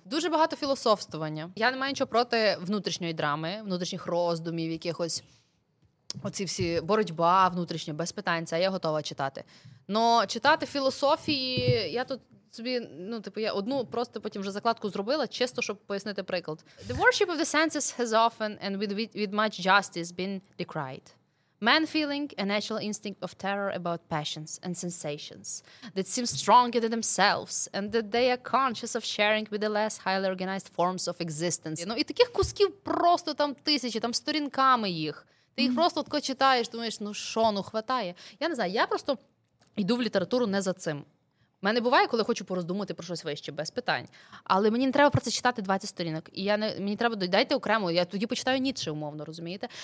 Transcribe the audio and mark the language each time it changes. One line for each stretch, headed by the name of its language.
Ukrainian: Дуже багато філософствування. Я не маю нічого проти внутрішньої драми, внутрішніх роздумів, якихось оці всі боротьба внутрішня, без питань, це я готова читати. Но читати філософії, я тут собі, ну, типу, я одну просто потім вже закладку зробила, чисто, щоб пояснити приклад.
English: The worship of the senses has often and with much justice been decried. Man feeling a natural instinct of terror about passions and sensations that seem stronger than themselves and that they are conscious of sharing with the less highly organized forms of existence.
Ukrainian: Ну і таких кусків просто там тисячі, там сторінками їх. Ти їх просто от читаєш, думаєш, ну що, ну хватає. Я не знаю, я просто йду в літературу не за цим. У мене буває, коли хочу пороздумати про щось вище, без питань. Але мені не треба про це читати 20 сторінок. І я не, мені треба, дайте окремо, я тоді почитаю Ніцше, умовно, розумієте?